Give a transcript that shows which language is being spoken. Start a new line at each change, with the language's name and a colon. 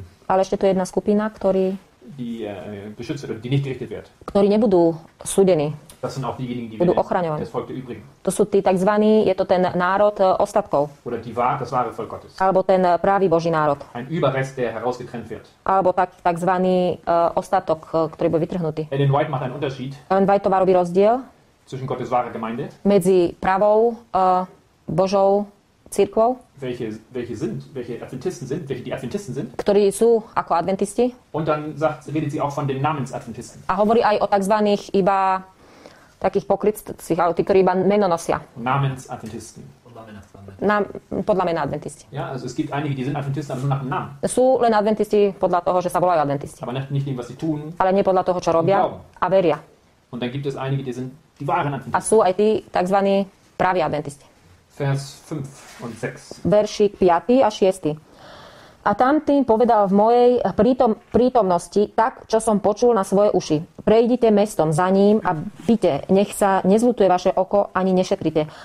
Slovak: ale ešte tu jedna skupina, ktorí
German: beschützt oder die nicht gerichtet wird.
Slovak: Ktorí nebudú súdení.
German: Das sind auch diejenigen,
Slovak: die ochraňovaní.
German: Das Volk der Übrigen.
Slovak: To sú tí takzvaní, je to ten národ ostatkov.
German: Oder die wahre, das wahre Volk Gottes.
Slovak: Alebo ten pravý Boží národ.
German: Ein Überrest, der herausgetrennt wird.
Slovak: Alebo takzvaný ostatok, ktorý bol vytrhnutý.
German: Ellen White macht einen Unterschied.
Slovak: Ellen White to robí rozdiel.
German: Zwischen Gottes wahre Gemeinde.
Slovak: Medzi pravou Božou cirkvou.
German: Welche Adventisten sind, welche die Adventisten sind?
Slovak: Ktorí sú ako adventisti?
German: Und dann redet sie auch von den Namensadventisten.
Slovak: A hovorí aj o takzvaných iba takých pokrytcích, ale tí, ktorí iba meno nosia.
German: Namensadventisten.
Slovak: Podľa mena adventisti.
German: Ja, also es gibt einige, die sind Adventisten, aber nur nach dem Namen.
Slovak: Sú len adventisti podľa toho, že sa volajú adventisti.
German: Aber nicht tým, was sie tun.
Slovak: Ale nie podľa toho, čo robia. A veria.
German: Und dann gibt es einige, die sind die wahren Adventisten.
Slovak: A sú aj tí takzvaní praví adventisti.
German: Vers 5 und 6.
Slovak: Veršik 5 a 6. A tamtým povedal v mojej prítomnosti tak, čo som počul na svoje uši. Prejdite mestom za ním a pite, nech sa nezľutuje vaše oko, ani nešetrite.